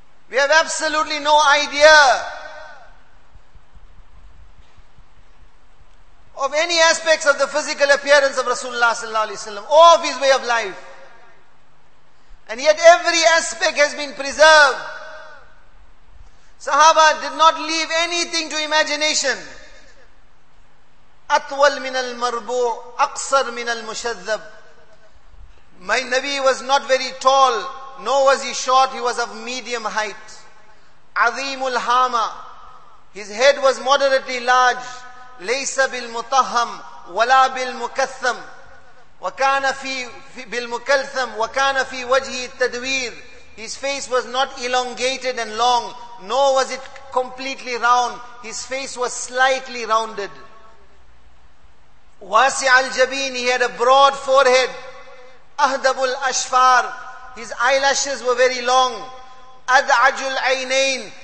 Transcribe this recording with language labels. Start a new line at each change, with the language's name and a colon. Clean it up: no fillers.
English: We have absolutely no idea of any aspects of the physical appearance of Rasulullah sallallahu alaihi wasallam or of his way of life. And yet every aspect has been preserved. Sahaba did not leave anything to imagination.
Arabic: أطول من المربوع أقصر من المشذب.
English: My Nabi was not very tall, nor was he short, he was of medium height.
Arabic: عظيم الهامة.
English: His head was moderately large.
Arabic: ليس بالمطهم ولا بالمكثم وكان في بالمكلثم وكان في وجهه التدوير.
English: His face was not elongated and long, nor was it completely round. His face was slightly rounded.
Arabic: واسع الجبين.
English: He had a broad forehead.
Arabic: أهدب الأشفار.
English: His eyelashes were very long.
Arabic: أدعج العينين.